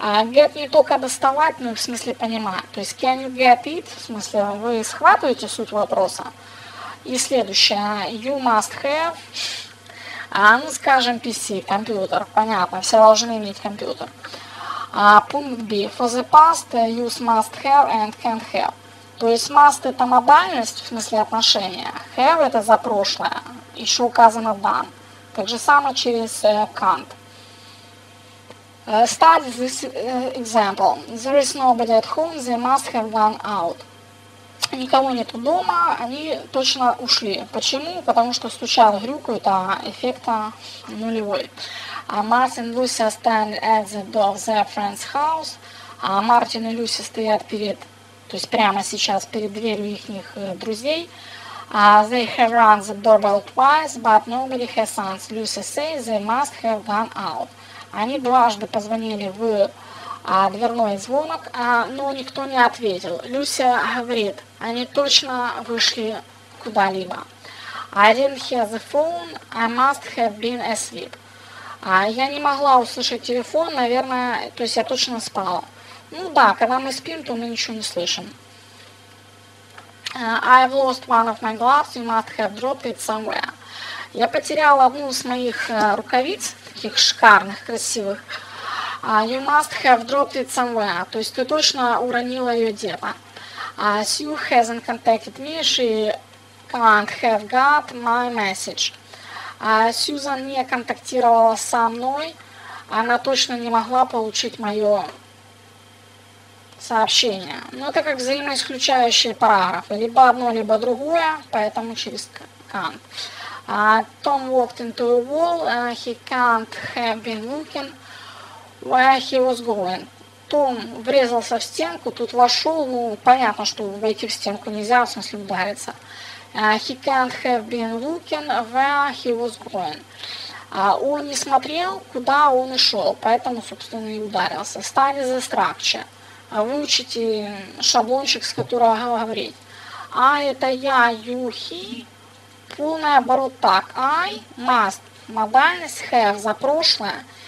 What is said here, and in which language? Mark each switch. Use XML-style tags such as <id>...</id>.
<ru>Get не только доставать, но и в смысле понимать. То есть</ru> <en>can you get it,</en> <ru>в смысле вы схватываете суть вопроса. И следующее,</ru> <en>you must have.</en> <ru>Ну, скажем, PC, компьютер, понятно, все должны иметь компьютер. Пункт B.</ru> <en>For the past, use must have and can't have.</en> <ru>То есть must – это модальность, в смысле отношения. Have – это за прошлое, еще указано done. Так же самое через can't.</ru> <en>Study this example. There is nobody at home, they must have gone out.</en> <ru>Никого нету дома, они точно ушли. Почему? Потому что стучал, грюкают, а эффекта нулевой.</ru> <en>Мартин и Люси stand at the door of their friend's house.</en> <ru>Мартин и Люси стоят перед, то есть прямо сейчас, перед дверью их друзей.</ru> <en>They have run the doorbell twice, but nobody has answered. Люси says they must have gone out.</en> <ru>Они дважды позвонили в дверной звонок, но никто не ответил. Люся говорит, они точно вышли куда-либо.</ru> <en>I didn't hear the phone, I must have been asleep.</en> <ru>Я не могла услышать телефон, наверное, то есть я точно спала. Ну да, когда мы спим, то мы ничего не слышим.</ru> <en>I've lost one of my gloves, you must have dropped it somewhere.</en> <ru>Я потеряла одну из моих рукавиц, таких шикарных, красивых.</ru> <en>You must have dropped it somewhere.</en> <ru>То есть ты точно уронила ее где-то.</ru> <en>Sue hasn't contacted me, she can't have got my message.</en> <ru>Susan не контактировала со мной, она точно не могла получить мое сообщения. Но это как взаимоисключающие параграфы, либо одно, либо другое, поэтому через can.</ru> <en>Tom walked into a wall, he can't have been looking where he was going.</en> <ru>Том врезался в стенку, тут вошел, ну, понятно, что войти в стенку нельзя, в смысле удариться.</ru> <en>He can't have been looking where he was going.</en> <ru>Он не смотрел, куда он и шел, поэтому, собственно, и ударился.</ru> <en>Study the structure.</en> <ru>Выучите шаблончик, с которого говорить. I — это я, you — he. Полный оборот так.</ru> <en>I — must.</en> <ru>Модальность have — за прошлое.</ru>